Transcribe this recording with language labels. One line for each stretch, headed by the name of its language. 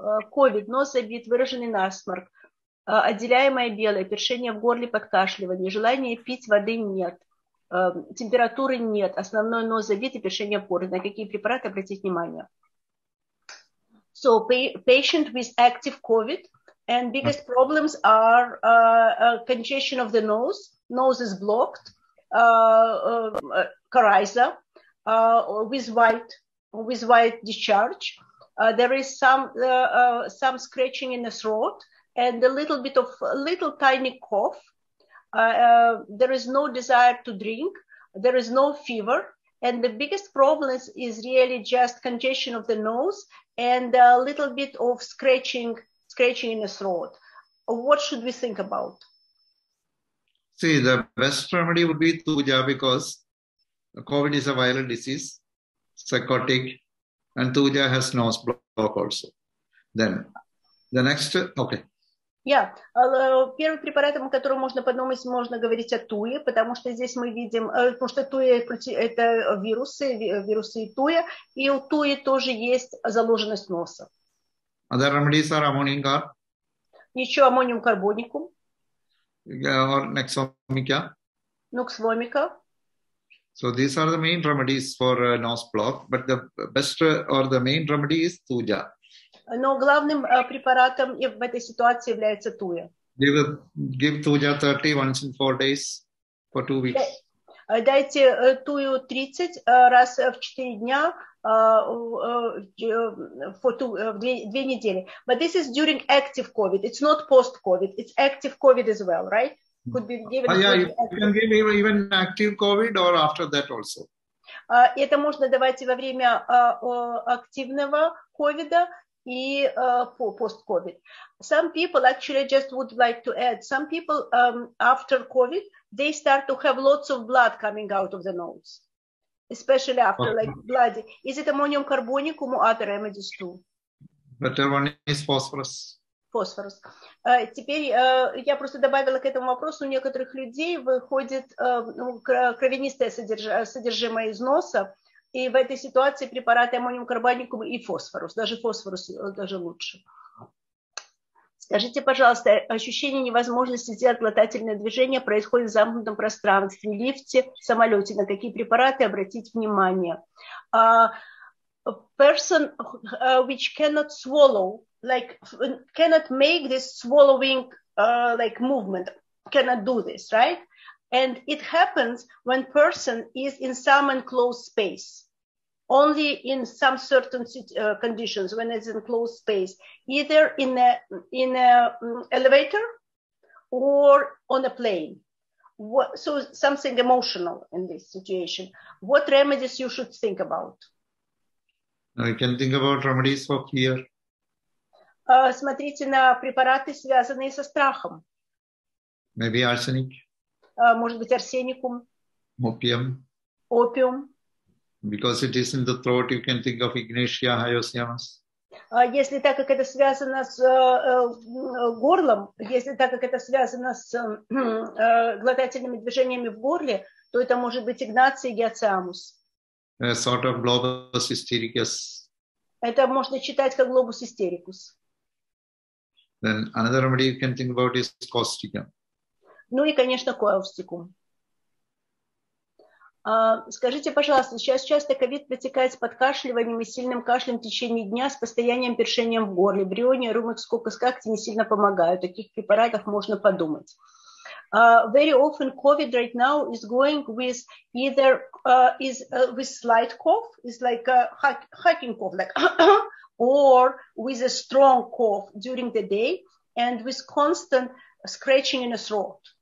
Russian: COVID, нос забит, выраженный насморк, отделяемое белое, першение в горле, подкашливание, желание пить воды нет, температуры нет, основной нос забит и першение в горле. На какие препараты обратить внимание?
English: So, patient with active COVID. And biggest problems are congestion of the nose. Nose is blocked. Coryza with white discharge. There is some scratching in the throat and a little tiny cough. There is no desire to drink. There is no fever. And the biggest problem is really just congestion of the nose and a little bit of scratching in the throat. What should we think about? See, the best remedy would be Tuja, because COVID is a viral disease, psychotic, and Tuja has nose block also. Then the next, okay.
Russian: Yeah, первым препаратом, о котором можно подумать, можно говорить о Туе, потому что здесь мы видим, потому что Туе это вирусы и Туе, и у Туе тоже есть заложенность носа.
English: Other remedies are ammoniacal.
Russian: Ничего, аммониум карбоникум.
English: Or nexomica. Nuxvomica. So these are the main remedies for nose block, but the best or the main remedy is tuja.
Russian: Но главным препаратом в этой ситуации является туя.
English: Give tuja 30 once in 4 days for 2 weeks.
Russian: Дайте тую 30 раз в 4 дня в 2 недели.
English: But this is during active COVID. It's not post-COVID. It's active COVID as well, right? Could be given Even active COVID or after that also.
Russian: Это можно давать и во время активного COVID-а. И post-COVID.
English: Some people actually just would like to add, some people after COVID, they start to have lots of blood coming out of the nose. Especially after, like, bloody. Is it ammonium carbonicum or other remedies too? Better one is phosphorus. Phosphorus.
Russian: Теперь я просто добавила к этому вопросу, у некоторых людей выходит кровянистое содержимое из носа, и в этой ситуации препараты аммониум карбоникум и фосфорус. Даже фосфорус даже лучше. Скажите, пожалуйста, ощущение невозможности сделать глотательное движение происходит в замкнутом пространстве, лифте, самолете. На какие препараты обратить внимание?
English: A person which cannot swallow, like cannot make this swallowing like movement, cannot do this, right? And it happens when person is in some enclosed space, only in some certain conditions when it's enclosed space, either in a elevator or on a plane. So something emotional in this situation. What remedies you should think about? I can think about remedies for fear.
Russian: Смотрите на препараты, связанные со страхом.
English: Maybe arsenic.
Russian: Может быть, арсеникум.
English: Opium.
Russian: Опиум.
English: Because it is in the throat, you can think of ignatia hyoscyamus.
Russian: Если так как это связано с горлом, если так как это связано с глотательными движениями в горле, то это может быть Игнация гиациамус.
English: A sort of globus hystericus.
Russian: Это можно читать как globus hystericus.
English: Then another remedy you can think about is caustica.
Russian: Ну и, конечно, каустикум. Скажите, пожалуйста, сейчас часто ковид протекает с подкашливанием и сильным кашлем в течение дня с постоянным першением в горле. Бриони, румекс, кокос, какти не сильно помогают. О таких препаратах можно подумать.
English: Very often COVID right now is going with either with slight cough, is like a hacking cough, like, or with a strong cough during the day and with constant scratching in the throat.